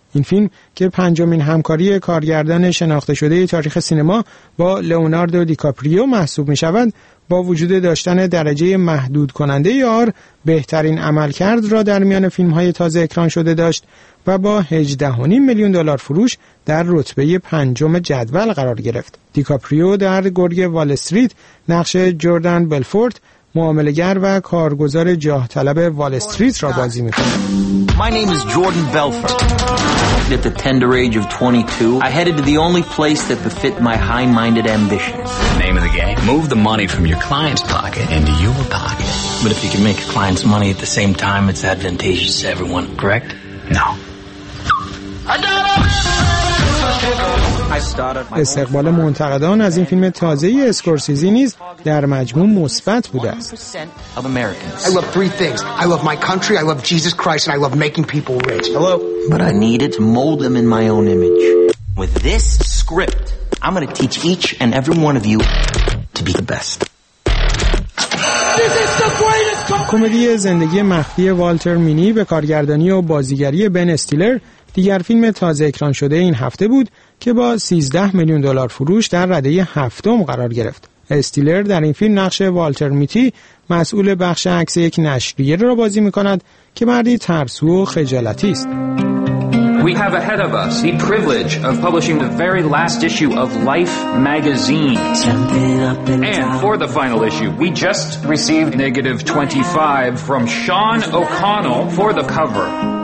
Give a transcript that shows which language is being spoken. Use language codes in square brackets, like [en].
[fa] این فیلم که پنجمین همکاری کارگردان شناخته شده تاریخ سینما با لئوناردو دیکاپریو محسوب می شود، با وجود داشتن درجه محدود کننده آر بهترین عملکرد را در میان فیلم های تازه اکران شده داشت و با 18.5 میلیون دلار فروش در رتبه پنجم جدول قرار گرفت. دیکاپریو در گرگ وال استریت نقش جردن بلفورت، معامله‌گر و کارگزار جاه طلب وال استریت را بازی می‌کند. [en] My name is Jordan Belfort. At the tender age of 22, I headed to the only place that befit my high-minded ambitions. Name of the game? Move the money from your client's pocket into your pocket. But if you can make a client's money at the same time, it's advantageous to everyone, correct? No. [fa] استقبال منتقدان از این فیلم تازه ای اسکورسیزی نیز در مجموع مثبت بوده است. [en] I love three things. I love my country, I love Jesus Christ and I love making people rich. Hello. But I need it to mold them in my own image. With this script, I'm going to teach each and every one of you to be the best. [fa] کمدی زندگی مخفی والتر مینی به کارگردانی و بازیگری بن استیلر دیگر فیلم تازه اکران شده این هفته بود که با 13 میلیون دلار فروش در رده هفتم قرار گرفت. استیلر در این فیلم نقش والتر میتی مسئول بخش عکس یک نشریه را بازی می‌کند که مردی ترسو و خجالتی است. [en] We have ahead of us the privilege of publishing the very last issue of Life magazine. And for the final issue, we just received negative 25 from Sean O'Connell for the cover.